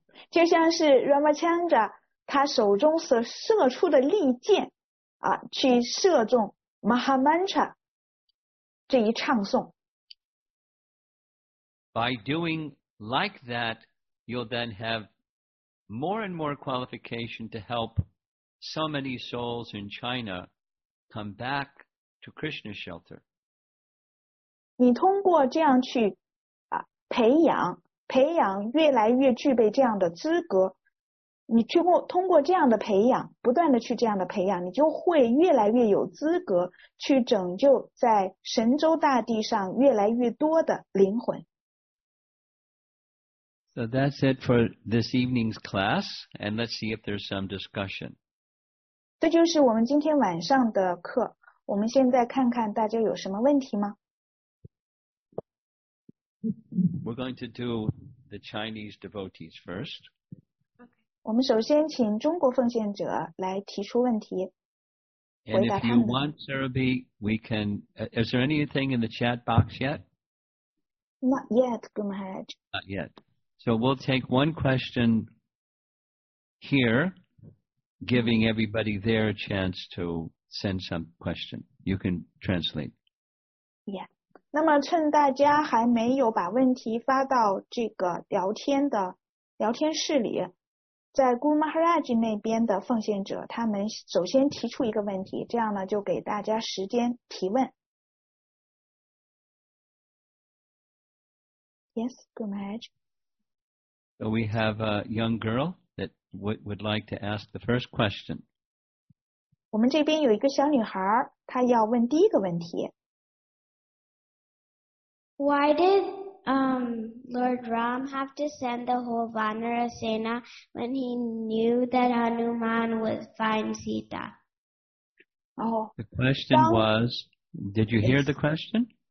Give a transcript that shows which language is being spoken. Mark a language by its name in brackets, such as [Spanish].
[Chinese] 就像是 Ramachandra 他手中所射出的利箭啊，去射中 Mahamantra 这一唱诵。 [English] By doing. Like that, you'll then have more and more qualification to help so many souls in China come back to Krishna's shelter. [Chinese] 你通过这样去培养越来越具备这样的资格，你通过这样的培养，不断的去这样的培养，你就会越来越有资格去拯救在神州大地上越来越多的灵魂。 [English] So that's it for this evening's class, and let's see if there's some discussion. [Chinese] 这就是我们今天晚上的课。我们现在看看大家有什么问题吗？ [English] We're going to do the Chinese devotees first. [Chinese] 我们首先请中国奉献者来提出问题。 [English] And if you want, Sarabhi, we can... Is there anything in the chat box yet? Not yet, Gumaraj. Not yet. So we'll take one question here, giving everybody their chance to send some question. You can translate. Yeah. [Chinese] 那么趁大家还没有把问题发到这个聊天的聊天室里，在 Guru Maharaj 那边的奉献者，他们首先提出一个问题，这样呢就给大家时间提问。 [English] Yes, Guru Maharaj. So we have a young girl that would like to ask the first question. [Chinese] 我们这边有一个小女孩，她要问第一个问题。 [English] Why did Lord Ram have to send the whole Vanara Sena when he knew that Hanuman would find Sita? Oh, the question was, did you hear the question?